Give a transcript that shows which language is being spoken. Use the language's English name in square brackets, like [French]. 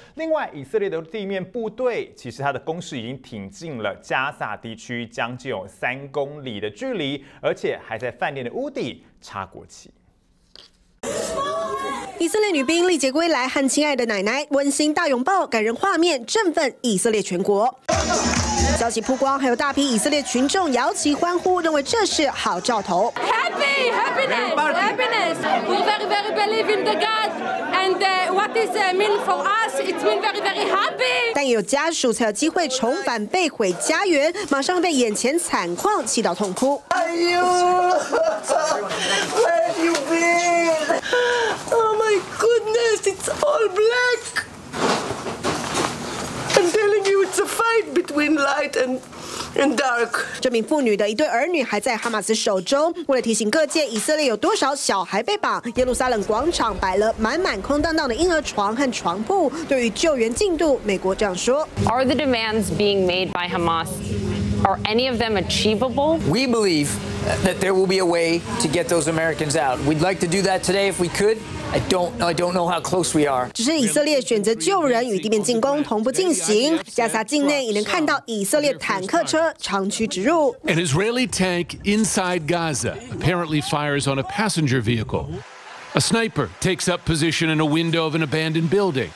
[Chinese] 另外，以色列的地面部队其实它的攻势已经挺进了加萨地区将近有3公里的距离，而且还在饭店的屋顶插国旗。以色列女兵历劫归来，和亲爱的奶奶温馨大拥抱，感人画面振奋以色列全国。消息曝光，还有大批以色列群众摇旗欢呼，认为这是好兆头。 [English] Happy, happiness, happiness. We very, very believe in the God, and what does it mean for us? It means very, very happy. [Chinese] 但有家属才有机会重返被毁家园，马上被眼前惨况气到痛哭。 [English] Are you? Where have you been? Oh my goodness, it's all black. It's a fight between light and dark. [Chinese] 这名妇女的一对儿女还在哈马斯手中。为了提醒各界以色列有多少小孩被绑，耶路撒冷广场摆了满满空荡荡的婴儿床和床铺。对于救援进度，美国这样说 [English] ：Are the demands being made by Hamas? Are any of them achievable? We believe that there will be a way to get those Americans out. We'd like to do that today if we could. I don't know how close we are. [Chinese] 只是以色列选择救人与地面进攻同步进行，加萨境内已能看到以色列坦克车长驱直入。 [English] An Israeli tank inside Gaza apparently fires on a passenger vehicle. A sniper takes up position in a window of an abandoned building.